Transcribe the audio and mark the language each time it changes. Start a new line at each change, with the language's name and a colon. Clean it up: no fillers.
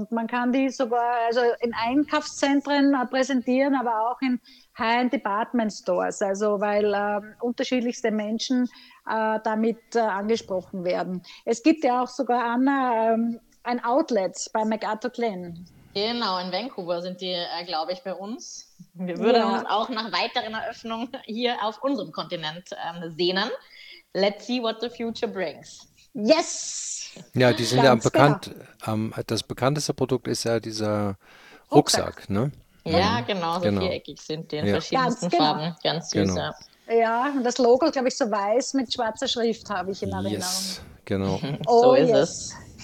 German: Und man kann die sogar also in Einkaufszentren präsentieren, aber auch in High-End Department Stores, also weil unterschiedlichste Menschen damit angesprochen werden. Es gibt ja auch sogar, Anna, ein Outlet bei MacArthur Glen. Genau, in Vancouver sind die, glaube ich, bei uns. Wir würden uns auch nach weiteren Eröffnungen hier auf unserem Kontinent sehnen.
English: Let's see what the future brings. Yes!
German: Ja, die sind ganz ja bekannt. Genau. Das bekannteste Produkt ist ja dieser Rucksack, ne? Ja, genau, so genau. Viereckig sind die in verschiedensten ganz Farben. Genau. Ganz süß, genau. Ja, und das Logo, glaube ich, so weiß mit schwarzer Schrift, habe ich in Erinnerung.
English: Yes,
German: genau. So oh, ist yes. es.